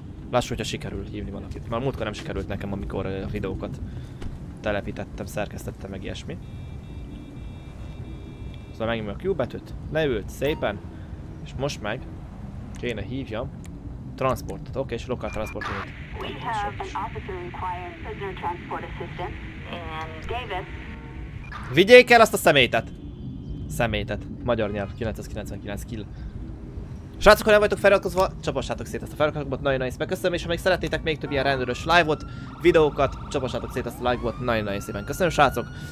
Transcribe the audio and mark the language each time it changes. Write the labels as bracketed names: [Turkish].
[Hungarian] Lássuk, hogyha sikerül hívni valakit. Már múltkor nem sikerült nekem, amikor a videókat telepítettem, szerkesztettem, meg ilyesmi. Szóval megnyomja a Q betűt, leült szépen, és most meg kéne hívjam transportot. Oké, és lokál transportot. [English] We have an officer inquiring prisoner transport assistant and Davis. [Hungarian] Vigyék el azt a szemétet! Szemétet. Magyar nyelv, 999 kill. Srácok, ha nem vagytok feliratkozva, csapassátok szét ezt a feliratkozatot, nagyon nagyon szépen köszönöm, és ha még szeretnétek még több ilyen rendőrös live-ot, videókat, csapassátok szét ezt a live-ot, nagyon nagyon szépen köszönöm, srácok.